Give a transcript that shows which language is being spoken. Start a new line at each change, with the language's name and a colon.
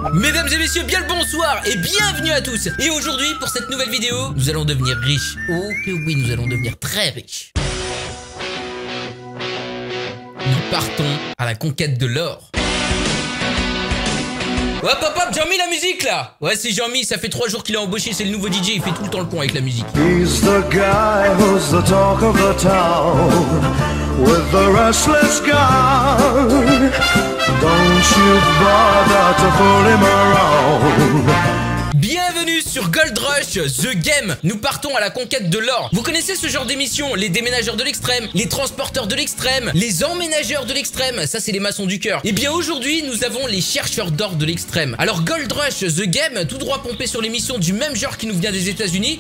French: Mesdames et messieurs, bien le bonsoir et bienvenue à tous. Et aujourd'hui, pour cette nouvelle vidéo, nous allons devenir riches. Oh que oui, nous allons devenir très riches. Nous partons à la conquête de l'or. Hop hop hop, Jean-Mi la musique là. Ouais c'est Jean-Mi, ça fait 3 jours qu'il a embauché, c'est le nouveau DJ, il fait tout le temps le pont avec la musique.
English: He's the guy who's the talk of the town with the restless guy. Don't you bother to fool him around.
French: Bienvenue sur Gold Rush The Game. Nous partons à la conquête de l'or. Vous connaissez ce genre d'émission, les déménageurs de l'extrême, les transporteurs de l'extrême, les emménageurs de l'extrême, ça c'est les maçons du cœur. Et bien aujourd'hui, nous avons les chercheurs d'or de l'extrême. Alors Gold Rush The Game, tout droit pompé sur l'émission du même genre qui nous vient des États-Unis.